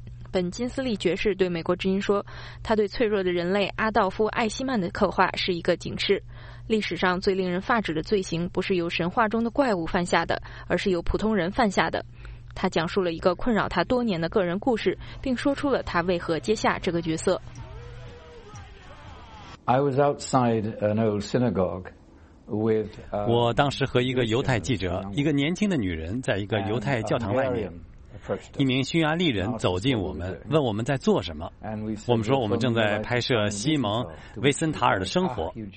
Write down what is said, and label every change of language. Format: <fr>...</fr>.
<zh>本金斯利爵士对美国之音说，他对脆弱的人类阿道夫·艾希曼的刻画是一个警示。历史上最令人发指的罪行不是由神话中的怪物犯下的，而是由普通人犯下的。他讲述了一个困扰他多年的个人故事，并说出了他为何接下这个角色。</zh> <en>I was outside an old synagogue.</en> <zh>我当时和一个犹太记者，一个年轻的女人，在一个犹太教堂外面。一名匈牙利人走近我们，问我们在做什么。我们说我们正在拍摄西蒙·威森塔尔的生活。</zh>